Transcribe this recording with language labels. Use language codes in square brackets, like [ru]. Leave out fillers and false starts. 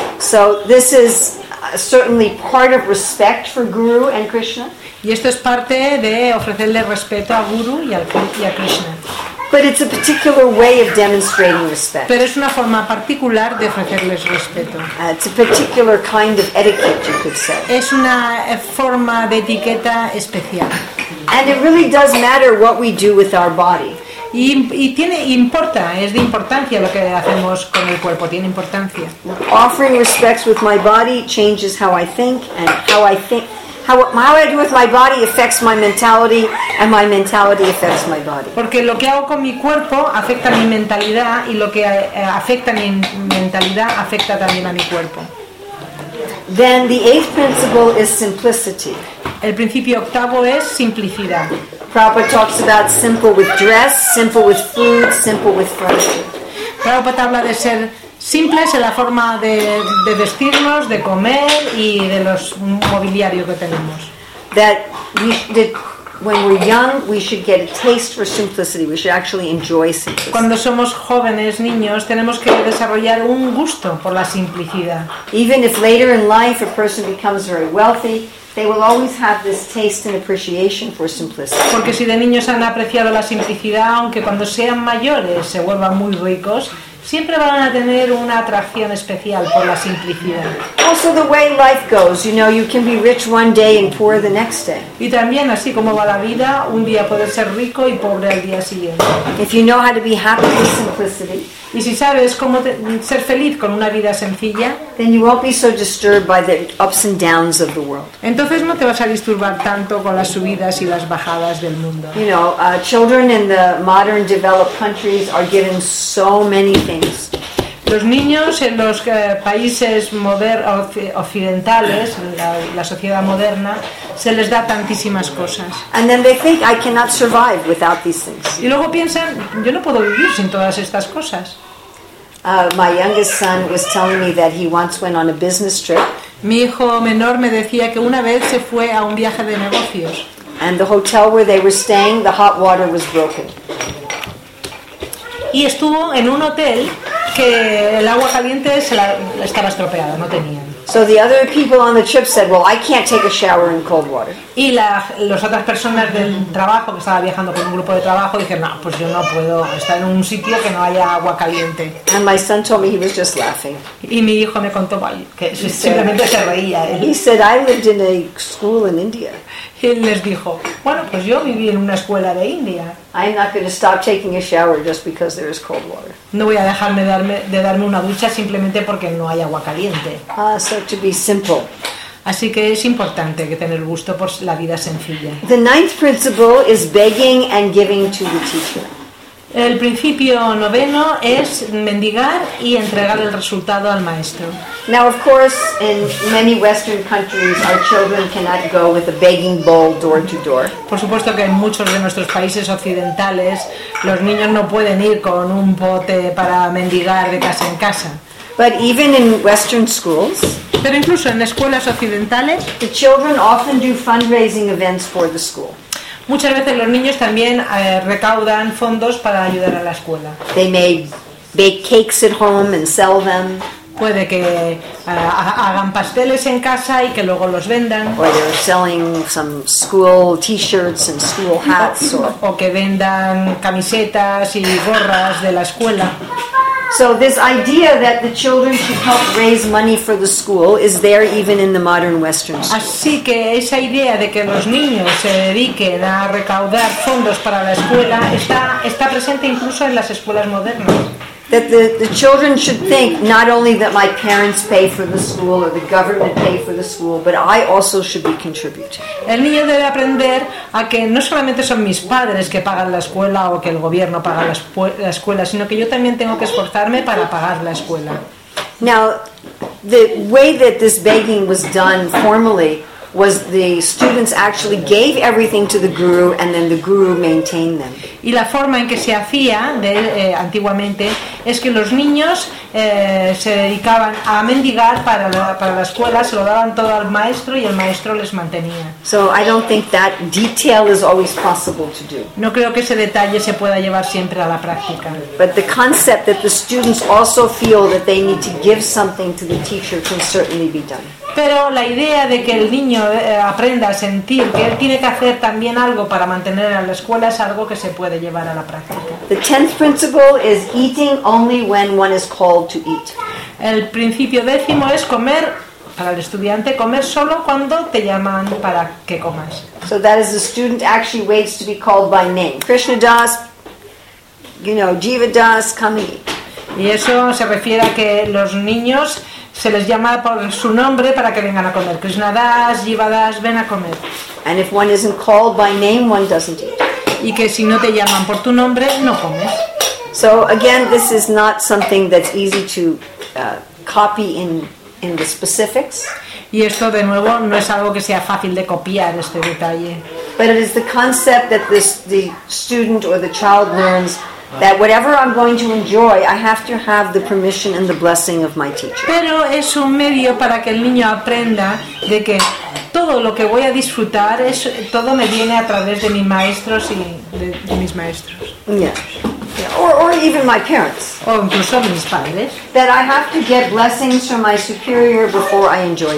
[en] So this is certainly part of respect for Guru and Krishna. [es] Y esto es parte de ofrecerle respeto a Guru y a Krishna. [en] But it's a particular way of demonstrating respect. [es] Pero es una forma particular de ofrecerles respeto. [en] It's a particular kind of etiquette, you could say. [es] Es una forma de etiqueta especial. [en] And it really does matter what we do with our body. [es] Importa, es de importancia lo que hacemos con el cuerpo, tiene importancia. [en] Offering respects with my body changes how I think, and how I think, how I do with my body affects my mentality, and my mentality affects my body. [es] Porque lo que hago con mi cuerpo afecta a mi mentalidad, y lo que afecta a mi mentalidad afecta también a mi cuerpo. [en] Then the eighth principle is simplicity. [es] El principio octavo es simplicidad. [en] Prabhupada talks about simple with dress, simple with food, simple with friendship. [es] Prabhupada habla de ser simples en la forma de vestirnos, de comer y de los mobiliario que tenemos. [en] When we're young, we should get a taste for simplicity. We should actually enjoy simplicity. [es] Cuando somos jóvenes, niños, tenemos que desarrollar un gusto por la simplicidad. [en] Even if later in life a person becomes very wealthy, they will always have this taste and appreciation for simplicity. [es] Porque si de niños han apreciado la simplicidad, aunque cuando sean mayores se vuelvan muy ricos, siempre van a tener una atracción especial por la simplicidad. [en] Also the way life goes, you know, you can be rich one day and poor the next day. [es] Y también así como va la vida, un día poder ser rico y pobre al día siguiente. [en] If you know how to be happy with simplicity, [es] y si sabes cómo ser feliz con una vida sencilla, [en] then you won't be so disturbed by the ups and downs of the world. [es] Entonces no te vas a disturbar tanto con las subidas y las bajadas del mundo. [en] You know, children in the modern developed countries are given so many things. [es] Los niños en los países occidentales, la sociedad moderna, se les da tantísimas cosas. [en] And then they think, I cannot survive without these things. [es] Y luego piensan, yo no puedo vivir sin todas estas cosas. [en] My youngest son was telling me that he once went on a business trip. [es] Mi hijo menor me decía que una vez se fue a un viaje de negocios. [en] And the hotel where they were staying, the hot water was broken. [es] Y estuvo en un hotel que el agua caliente se la estaba estropeada, no tenían. [en] So the other people on the trip said, well, I can't take a shower in cold water. [es] Y las otras personas del trabajo, que estaba viajando con un grupo de trabajo, dijeron, no, pues yo no puedo estar en un sitio que no haya agua caliente. [en] And my son told me he was just laughing. [es] Y mi hijo me contó que simplemente se reía. [en] He said, I lived in a school in India. [es] Y él les dijo, bueno, pues yo viví en una escuela de India. [en] I'm not going to stop taking a shower just because there is cold water. [es] No voy a dejarme de darme una ducha simplemente porque no hay agua caliente. [en] So to be simple. [es] Así que es importante que tener gusto por la vida sencilla. [en] The ninth principle is begging and giving to the teacher. [es] El principio noveno es mendigar y entregar el resultado al maestro. [en] Now, of course, in many Western countries, our children cannot go with a begging bowl door to door. [es] Por supuesto que en muchos de nuestros países occidentales, los niños no pueden ir con un pote para mendigar de casa en casa. [en] But even in Western schools, [es] pero incluso en escuelas occidentales, [en] the children often do fundraising events for the school. [es] Muchas veces los niños también recaudan fondos para ayudar a la escuela. [en] They may bake cakes at home and sell them. [es] Puede que hagan pasteles en casa y que luego los vendan. [en] Or they're selling some school t-shirts and school hats. [es] O que vendan camisetas y gorras de la escuela. [en] So this idea that the children should help raise money for the school is there even in the modern Western schools. [es] Así que esa idea de que los niños se dediquen a recaudar fondos para la escuela está presente incluso en las escuelas modernas. [en] That the children should think not only that my parents pay for the school or the government pay for the school, but I also should be contributing. [es] El niño debe aprender a que no solamente son mis padres que pagan la escuela o que el gobierno paga la escuela, sino que yo también tengo que esforzarme para pagar la escuela. [en] Now, the way that this begging was done formally was the students actually gave everything to the guru and then the guru maintained them. [es] Y la forma en que se hacía de, antiguamente es que los niños se dedicaban a mendigar para la escuela, se lo daban todo al maestro y el maestro les mantenía. [en] So I don't think that detail is always possible to do. [es] No creo que ese detalle se pueda llevar siempre a la práctica. [en] But the concept that the students also feel that they need to give something to the teacher can certainly be done. [es] Pero la idea de que el niño aprenda a sentir que él tiene que hacer también algo para mantener a la escuela es algo que se puede llevar a la práctica. [en] The tenth principle is eating only when one is called to eat. [es] El principio décimo es comer para el estudiante, comer solo cuando te llaman para que comas. [en] So that is the student actually waits to be called by name. Krishna Das, you know, Jiva Das, come and eat. [es] Y eso se refiere a que los niños se les llama por su nombre para que vengan a comer. Krishna Das, Jiva Das, ven a comer. [en] And if one isn't called by name, one doesn't eat. [es] Y que si no te llaman por tu nombre, no comes. [en] So again, this is not something that's easy to copy in the specifics. [es] Y esto de nuevo no es algo que sea fácil de copiar este detalle. [en] But it is the concept that the student or the child learns that whatever I'm going to enjoy, I have to have the permission and the blessing of my teacher. [es] Pero es un medio para que el niño aprenda de que todo lo que voy a disfrutar es todo me viene a través de mis maestros y de mis maestros. [en] Yeah. Or even my parents. [es] O incluso mis padres. [en] That I have to get blessings from my superior before I enjoy